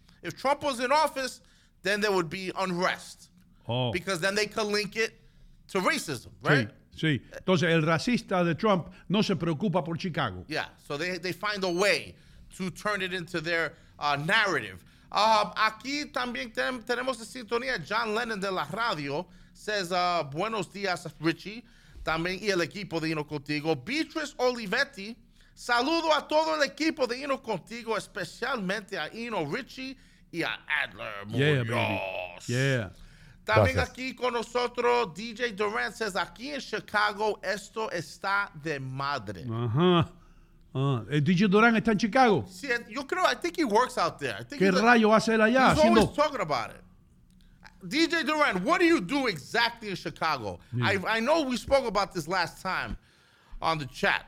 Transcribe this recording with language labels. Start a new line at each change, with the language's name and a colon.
English: If Trump was in office, then there would be unrest. Oh. Because then they could link it to racism, right?
Spanish: Sí, sí. Entonces el racista de Trump no se preocupa por Chicago.
English: Yeah, so they find a way to turn it into their narrative.
Spanish: Aquí también tenemos en sintonía John Lennon de la radio. Says, buenos días, Richie. También y el equipo de Hino Contigo. Beatriz Olivetti, saludo a todo el equipo de Hino Contigo, especialmente a Hino, Richie y a Adler Muñoz.
English: Yeah, baby. Yeah.
Spanish: También gracias. Aquí con nosotros DJ Durant says, aquí en Chicago esto está de madre. Ajá. DJ Durant está en Chicago. Sí, yo creo,
English: I think he works out there. I think
Spanish: ¿qué rayo hace él allá?
English: He's haciendo... always talking about it. DJ Durant, what do you do exactly in Chicago? Yeah. I know we spoke about this last time on the chat.